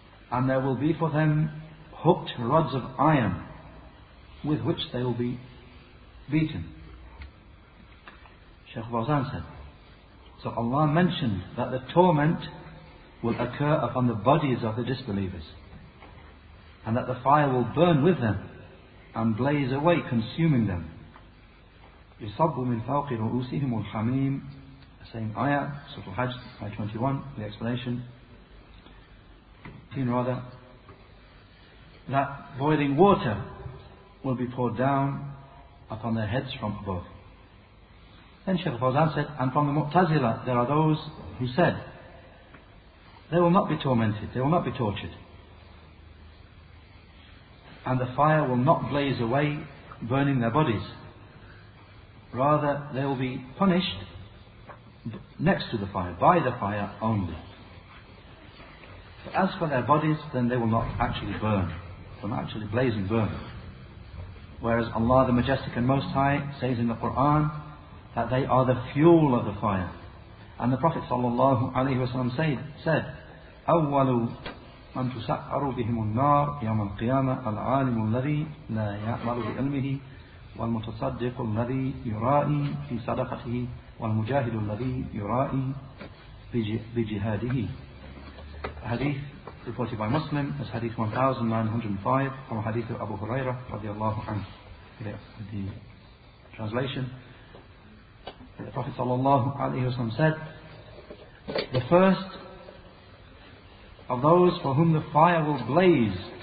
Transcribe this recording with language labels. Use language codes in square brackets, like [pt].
[en] And there will be for them hooked rods of iron with which they will be beaten. Sheikh Barzan said, so Allah mentioned that the torment will occur upon the bodies of the disbelievers, and that the fire will burn with them and blaze away, consuming them. [ar] يصب من فوق رؤوسهم الحميم. [en] The same ayah, Surah Al-Hajj, ayah 21, the explanation. Teen rather, that boiling water will be poured down upon their heads from above. Then Shaykh Fawzan said, and from the Mu'tazila there are those who said, they will not be tormented, they will not be tortured. And the fire will not blaze away, burning their bodies. Rather, they will be punished next to the fire, by the fire only. But as for their bodies, then they will not actually burn. They will not actually blaze and burn. Whereas Allah the Majestic and Most High says in the Quran that they are the fuel of the fire. And the Prophet sallallahu alaihi wasallam said, [ar] أَوَّلُوا أَنْ تُسَعَّرُوا بِهِمُ النَّارِ يَوْمَ الْقِيَامَةِ الْعَالِمُ الَّذِي لَا يَعْمَرُ بِعِلْمِهِ وَالْمُتَصَدِّقُ الَّذِي يُرَائِي فِي صَدَقَتِهِ وَالْمُجَاهِدُ الَّذِي يُرَائِي بِجِهَادِهِ. [en] A hadith reported by Muslim as hadith 1905 from a hadith of Abu Huraira radiallahu anhu. The translation, the Prophet sallallahu alayhi wasallam said, the first of those for whom the fire will blaze